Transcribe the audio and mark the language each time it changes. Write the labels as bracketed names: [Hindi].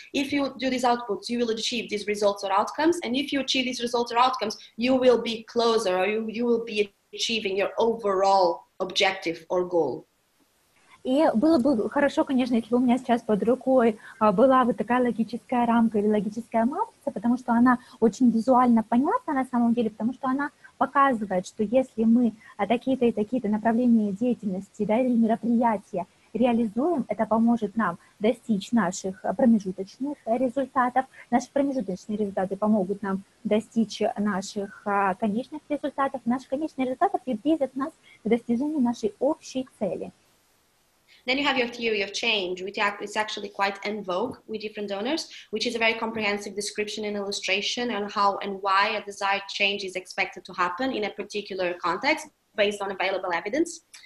[English] If you do these outputs, you will achieve these results or outcomes. And if you achieve these results or outcomes, you will be closer, or you will be achieving your overall objective or goal. [Russian] И было бы хорошо, конечно, если бы у меня сейчас под рукой была вот такая логическая рамка или логическая матрица, потому что она очень визуально понятна на самом деле, потому что она показывает, что если мы такие-то и такие-то направления деятельности, да, или мероприятия реализуем, это поможет нам достичь наших промежуточных результатов. Наши промежуточные результаты помогут нам достичь наших конечных результатов. Наши конечные результаты приблизят нас к достижению нашей общей цели. [English] Then you have your theory of change, which is actually quite en vogue with different donors, which is a very comprehensive description and illustration on how and why a desired change is expected to happen in a particular context based on available evidence.